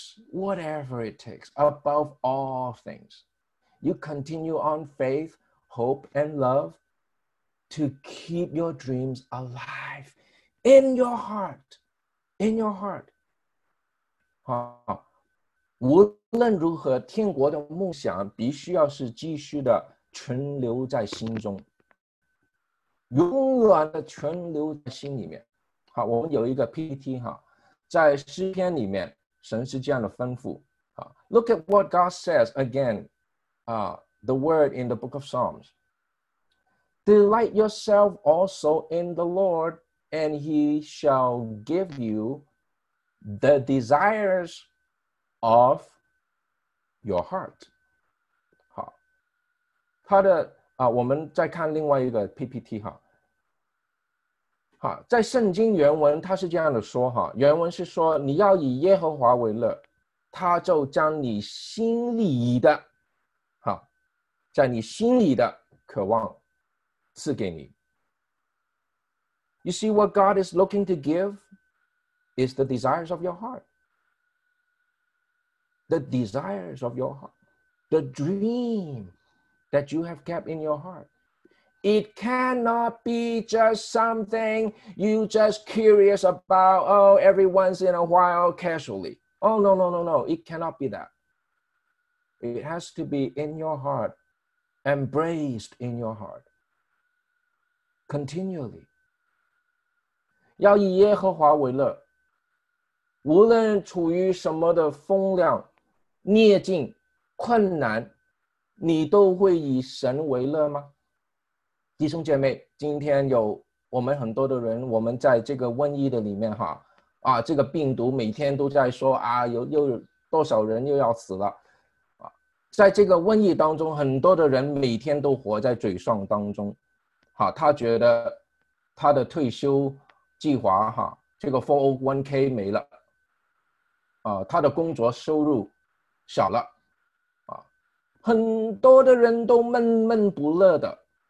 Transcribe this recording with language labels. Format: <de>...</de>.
<en>Whatever it takes, above all things, you continue on faith, hope, and love to keep your dreams alive in your heart, in your heart.</en> <zh>无论如何，天国的梦想必须要是继续的存留在心中，永远的存留在心里面。好，我们有一个 PPT 哈，在诗篇里面，神是这样的吩咐。</zh> <en>Look at what God says again, the word in the book of Psalms. Delight yourself also in the Lord, and he shall give you the desires of your heart.</en> <zh>好，他的我们再看另外一个 PPT 哈。在圣经原文他是这样的说哈，原文是说，你要以耶和华为乐，他就将你心里的在你心里的渴望赐给你。</zh> <en>You see what God is looking to give is the desires of your heart. The desires of your heart. The dream that you have kept in your heart. It cannot be just something you just curious about, oh, every once in a while, casually. Oh, no. It cannot be that. It has to be in your heart, embraced in your heart, continually.</en> <zh>要以耶和华为乐，无论处于什么的风浪、逆境、困难，你都会以神为乐吗？弟兄姐妹，今天有我们很多的人，我们在这个瘟疫的里面哈，这个病毒每天都在说啊，又多少人又要死了，在这个瘟疫当中，很多的人每天都活在沮丧当中，他觉得他的退休计划哈，这个 401k 没了，他的工作收入少了，很多的人都闷闷不乐的。</zh>